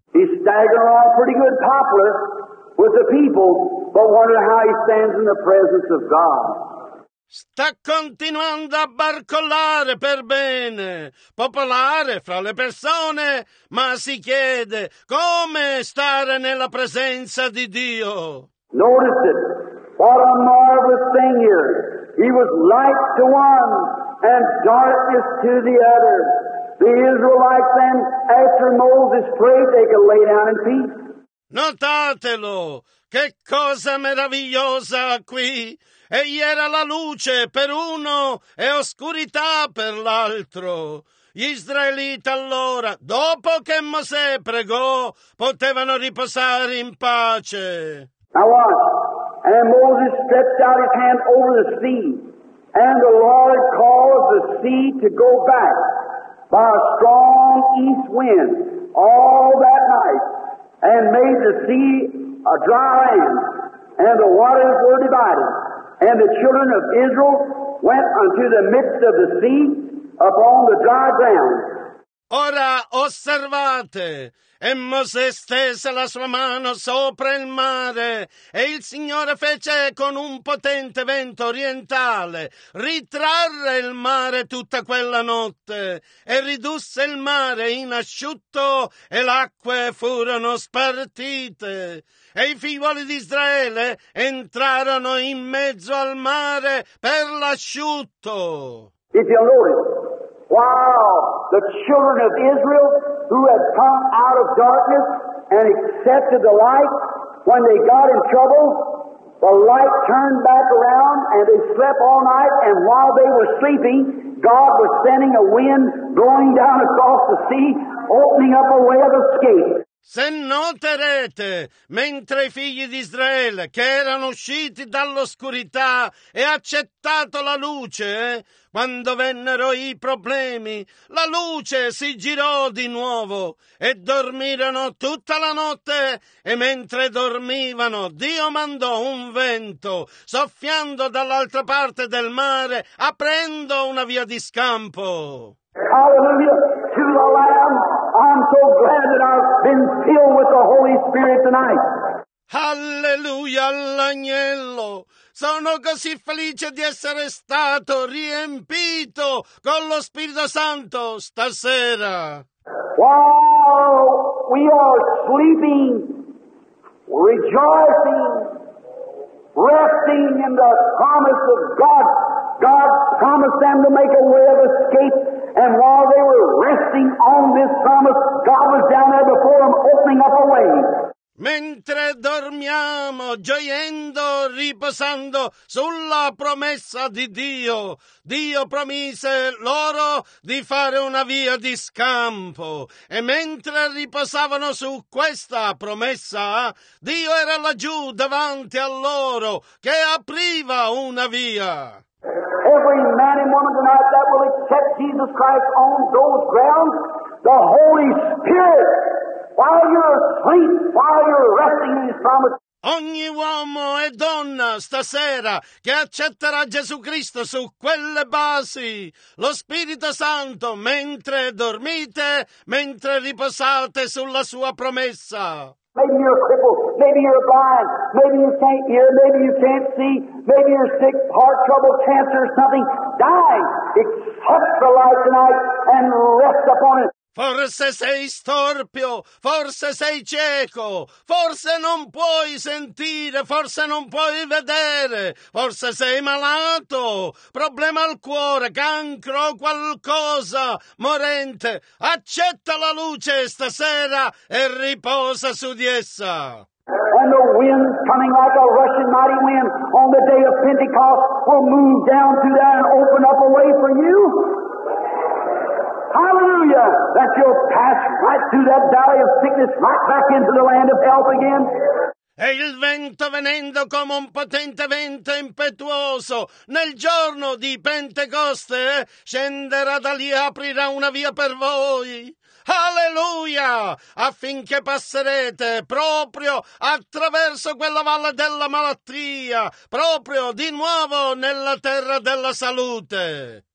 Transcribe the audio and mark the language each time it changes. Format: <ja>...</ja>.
<en>He staggered off pretty good popular with the people, but wonder how he stands in the presence of God.</en> <it>Sta continuando a barcollare per bene, popolare fra le persone, ma si chiede come stare nella presenza di Dio.</it> <en>Notice it. What a marvelous thing here. He was light to one and darkness to the other. The Israelites then, after Moses prayed, they could lay down in peace.</en> <it>Notatelo. Che cosa meravigliosa qui. Egli era la luce per uno e oscurità per l'altro. Gli Israeliti allora, dopo che Mosè pregò, potevano riposare in pace.</it> <en>Now watch. And Moses stretched out his hand over the sea, and the Lord caused the sea to go back by a strong east wind all that night, and made the sea a dry land, and the waters were divided. And the children of Israel went unto the midst of the sea upon the dry ground.</en> <it>Ora osservate, e Mosè stese la sua mano sopra il mare, e il Signore fece con un potente vento orientale ritrarre il mare tutta quella notte, e ridusse il mare in asciutto, e l'acque furono spartite. E i figlioli di Israele entrarono in mezzo al mare per l'asciutto.</it> <en>If you notice, while the children of Israel who had come out of darkness and accepted the light, when they got in trouble, the light turned back around and they slept all night, and while they were sleeping, God was sending a wind blowing down across the sea, opening up a way of escape.</en> <it>Se noterete, mentre i figli di Israele, che erano usciti dall'oscurità e accettato la luce, quando vennero i problemi, la luce si girò di nuovo e dormirono tutta la notte. E mentre dormivano, Dio mandò un vento, soffiando dall'altra parte del mare, aprendo una via di scampo.</it> <en>Hallelujah to the Lamb. I'm so glad that I've been filled with the Holy Spirit tonight.</en> <it>Alleluia all'agnello. Sono così felice di essere stato riempito con lo Spirito Santo stasera.</it> <en>While we are sleeping, rejoicing, resting in the promise of God. God promised them to make a way of escape. And while they were resting on this promise, God was down there before them opening up a way.</en> <it>Mentre dormiamo, gioiendo, riposando sulla promessa di Dio, Dio promise loro di fare una via di scampo. E mentre riposavano su questa promessa, Dio era laggiù davanti a loro che apriva una via.</it> <en>Every man and woman tonight that will accept Jesus Christ on those grounds, the Holy Spirit, while you're asleep, while you're resting in His promise.</en> <it>Ogni uomo e donna stasera che accetterà Gesù Cristo su quelle basi, lo Spirito Santo, mentre dormite, mentre riposate sulla sua promessa.</it> <en>Maybe you're crippled, maybe you're blind, maybe you can't hear, maybe you can't see, maybe you're sick, heart trouble, cancer, something. Die! Accept the light tonight and rest upon it.</en> <it>Forse sei storpio, forse sei cieco, forse non puoi sentire, forse non puoi vedere, forse sei malato, problema al cuore, cancro, qualcosa morente. Accetta la luce stasera e riposa su di essa.</it> <en>And the wind coming like a rushing mighty wind on the day of Pentecost will move down through there and open up a way for you. Hallelujah! That you'll pass right through that valley of sickness, right back into the land of health again.</en> <it>E il vento venendo come un potente vento impetuoso nel giorno di Pentecoste scenderà da lì e aprirà una via per voi. Alleluia! Affinché passerete proprio attraverso quella valle della malattia, proprio di nuovo nella terra della salute.</it>